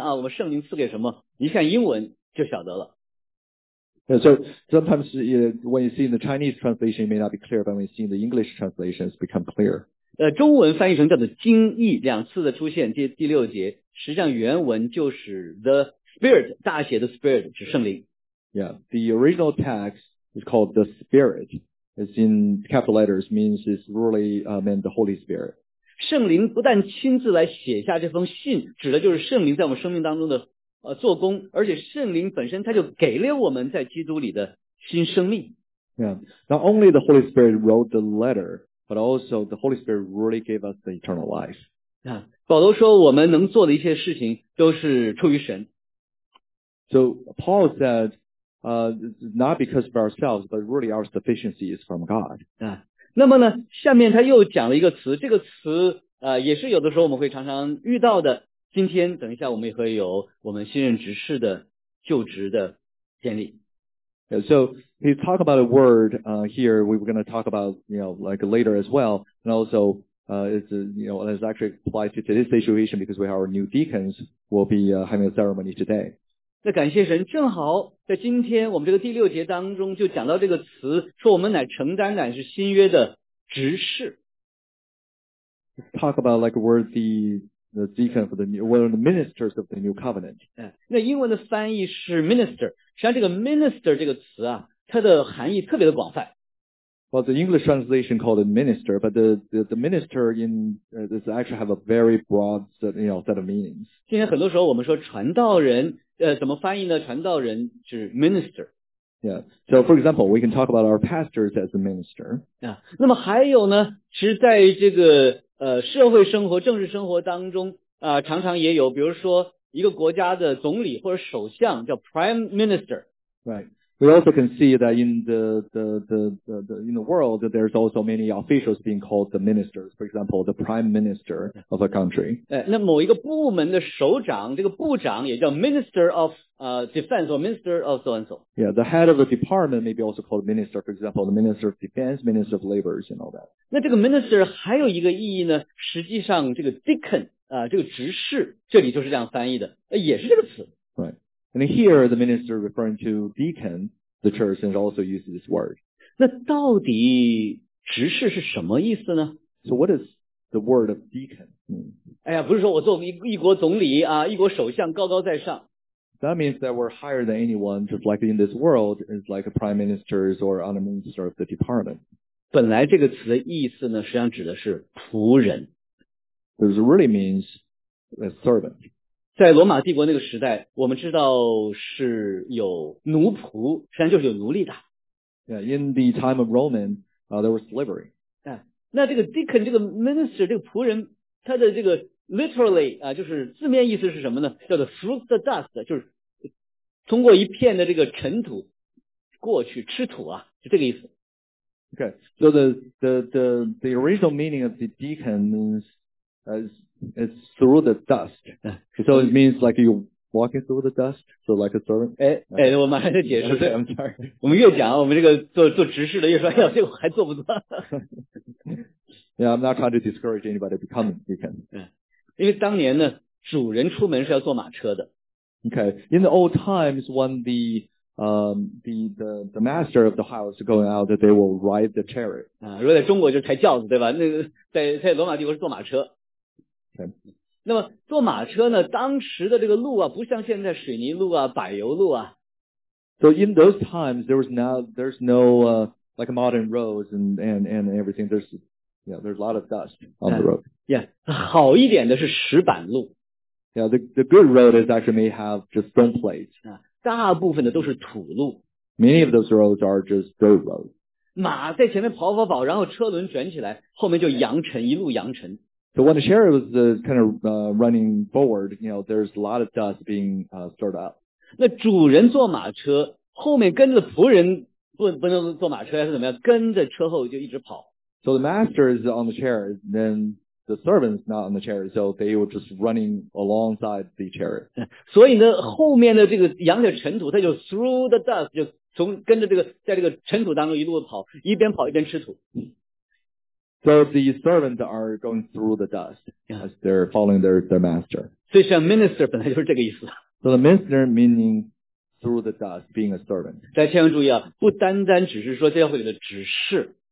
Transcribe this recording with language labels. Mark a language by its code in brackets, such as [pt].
[zh] 啊，我们圣灵赐给什么？你看英文就晓得了。 [en] So sometimes when you see in the Chinese translation, it may not be clear, but when you see in the English translation, it's become clear. [zh] 中文翻译成叫做经义，两次的出现，第六节，实际上原文就是 [en] the spirit, [zh] 大写的 spirit, 指圣灵。 [en] Yeah, the original text is called the spirit. It's in capital letters, means it's really meant the Holy Spirit. [zh] 圣灵不但亲自来写下这封信，指的就是圣灵在我们生命当中的做工，而且圣灵本身他就给了我们在基督里的新生命。 [en] Yeah, not only the Holy Spirit wrote the letter, but also the Holy Spirit really gave us the eternal life. [zh] Yeah, 保罗说我们能做的一些事情都是出于神。 [en] So Paul said, not because of ourselves, but really our sufficiency is from God. [zh] Yeah, 那么呢，下面他又讲了一个词，这个词也是有的时候我们会常常遇到的。今天等一下我们也会有我们新任执事的就职的典礼。 [en] Yeah, so he talk about a word, here we were going to talk about, you know, like later as well. And also, it's actually applied to today's situation because we have our new deacons will be having a ceremony today. [zh] 那感谢神，正好在今天我们这个第六节当中就讲到这个词，说我们乃承担乃是新约的执事。 [en] Talk about like a word the deacon for the new, one of the ministers of the new covenant. [zh] 那英文的翻译是 minister. 实际上这个 minister 这个词啊，它的含义特别的广泛。 [en] Well, the English translation called it minister, but the minister in, this actually have a very broad set, you know, set of meanings. [zh] 今天很多时候我们说传道人，怎么翻译呢？传道人是 minister. [en] Yeah. So, for example, we can talk about our pastors as a minister. [zh] 那么还有呢，其实在这个社会生活、政治生活当中常常也有，比如说一个国家的总理或者首相叫 Prime Minister. [en] Right. We also can see that in the in the world, there's also many officials being called the ministers. For example, the Prime Minister of a country. [zh] 那某一个部门的首长，这个部长也叫 [en] Minister of Defense or Minister of so and so. Yeah, the head of the department may be also called Minister. For example, the Minister of Defense, Minister of Labor, and all that. [zh] 那这个 Minister 还有一个意义呢？实际上，这个 Deacon 这个执事，这里就是这样翻译的，也是这个词。 [en] And here, the minister referring to deacon, the church, and also uses this word. [zh] 那到底执事是什么意思呢？ [en] So what is the word of deacon? [zh] 哎呀，不是说我做一国总理啊，一国首相高高在上。 [en] That means that we're higher than anyone, just like in this world, is like a prime minister or honor minister of the department. [zh] 本来这个词的意思呢，实际上指的是仆人。 [en] It really means a servant. [zh] 在罗马帝国那个时代，我们知道是有奴仆，实际上就是有奴隶的。 [en] Yeah, in the time of Roman, there was slavery. [zh] 那这个 deacon, 这个 minister, 这个仆人，他的这个 literally, 就是字面意思是什么呢？叫做 [en] through the dust, [zh] 就是通过一片的这个尘土过去吃土啊，就这个意思。 [en] Okay, so the original meaning of the deacon means, it's through the dust. So it means like you're walking through the dust, so like a servant. [zh] 我们还在解释。 [en] I'm sorry. [zh] 我们越讲，我们这个做执事的越说，哎呀，这个还做不做？ [en] Yeah, I'm not trying to discourage anybody becoming deacon. [zh] 因为当年呢，主人出门是要坐马车的。 [en] Okay, in the old times, when the master of the house going out, they will ride the chariot. [zh] 如果在中国就抬轿子，对吧？那个在罗马帝国是坐马车。那么坐马车呢，当时的这个路啊，不像现在水泥路啊，柏油路啊。 [en] So in those times, there's no, like modern roads and everything. There's a lot of dust on the road. [zh] Yeah, 好一点的是石板路。 [en] Yeah, the good road is actually may have just stone plates. [zh] 大部分的都是土路。 [en] Many of those roads are just dirt roads. [zh] 马在前面跑跑跑，然后车轮卷起来，后面就扬尘，一路扬尘。 [en] So when the chariot was kind of running forward, you know, there's a lot of dust being stirred up. [zh] 那主人坐马车，后面跟着仆人不能坐马车还是怎么样，跟着车后就一直跑。 [en] So the master is on the chariot, then the servant's not on the chariot, so they were just running alongside the chariot. [zh] 所以呢，后面的这个扬点尘土，他就 [en] through the dust, [zh] 就从跟着这个在这个尘土当中一路跑，一边跑一边吃土。 [en] So the servants are going through the dust as they're following their master. [zh] 所以像 minister 本来就是这个意思。 [en] So the minister meaning through the dust, being a servant. [zh] 大家千万注意啊，不单单只是说教会里的执事。